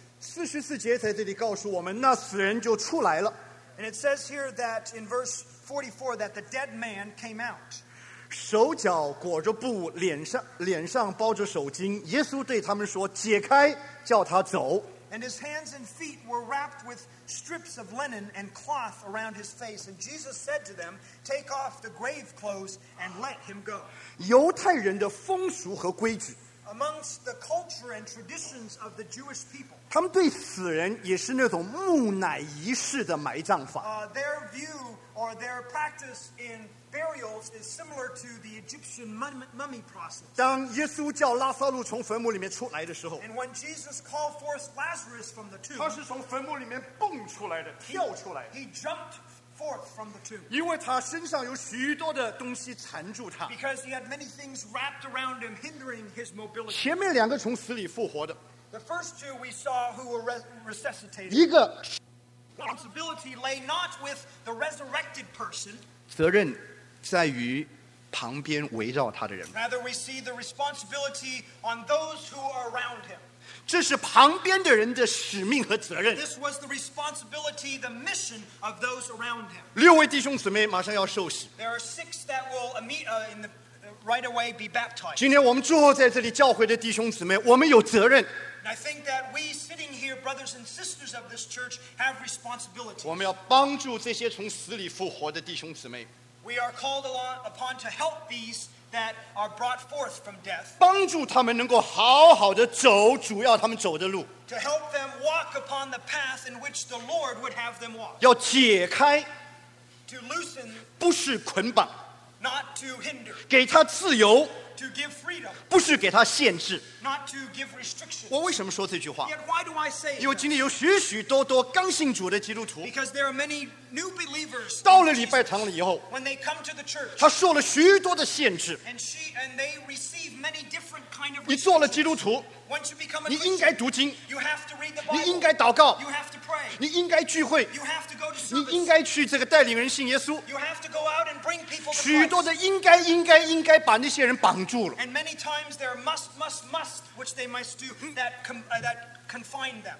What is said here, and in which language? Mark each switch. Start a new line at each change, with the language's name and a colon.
Chinese: 四十四节在这里告诉我们，那死人就出来了。
English: And it says here that in verse 44 that the dead man came out.
Chinese: 手脚裹着布，脸上包着手巾。耶稣对他们说：“解开，叫他走。”
English: And his hands and feet were wrapped with strips of linen and cloth around his face. And Jesus said to them, "Take off the grave clothes and let him go."
Chinese: 犹太人的风俗和规矩。
English: Amongst the culture and traditions of the Jewish people,
Chinese: 他们对死人也是那种木乃仪式的埋葬法。
English: Their view or their practice in burials is similar to the Egyptian mummy process.
Chinese: 当耶稣叫拉撒路从坟墓里面出来的时候
English: ，And when Jesus called forth Lazarus from the tomb,
Chinese: 他是从坟墓里面蹦出来的，跳出来。
English: He jumped forth from the tomb.
Chinese: 因为他身上有许多的东西缠住他。
English: Because he had many things wrapped around him, hindering his mobility.
Chinese: 前面两个从死里复活的
English: ，The first two we saw who were resuscitated.
Chinese: 一个
English: responsibility lay not with the resurrected person.
Chinese: 责任。在于旁边围绕他的人。
English: Rather, we see the responsibility on those who are around him.
Chinese: 这是旁边的人的使命和责任。
English: This was the responsibility, the mission of those around him.
Chinese: 六位弟兄姊妹马上要受洗。
English: There are six that will meet in the right away be baptized.
Chinese: 今天我们坐后在这里教会的弟兄姊妹，我们有责任。
English: I think that we sitting here, brothers and sisters of this church, have responsibility.
Chinese: 我们要帮助这些从死里复活的弟兄姊妹。
English: We are called upon to help these that are brought forth from death.
Chinese: 帮助他们能够好好的走主要他们走的路。
English: To help them walk upon the path in which the Lord would have them walk.
Chinese: 要解开。
English: To loosen.
Chinese: 不是捆绑。
English: Not to hinder.
Chinese: 给他自由。
English: To give freedom.
Chinese: 不是给他限制。
English: Not to give restrictions.
Chinese: 我为什么说这句话？
English: Yet why do I say it?
Chinese: 因为今天有许许多多刚信主的基督徒。
English: Because there are many new believers.
Chinese: 到了礼拜堂了以后。
English: When they come to the church.
Chinese: 他受了许多的限制。
English: And they receive many different kind of restrictions.
Chinese: 你做了基督徒。
English: Once you become a Christian.
Chinese: 你应该读经。
English: You have to read the Bible.
Chinese: 你应该祷告。
English: You have to pray.
Chinese: 你应该聚会。
English: You have to go to service.
Chinese: 你应该去这个带领人信耶稣。
English: You have to go out and bring people to Christ.
Chinese: 许多的应该把那些人绑住了。
English: And many times there must, which they must do that confine them.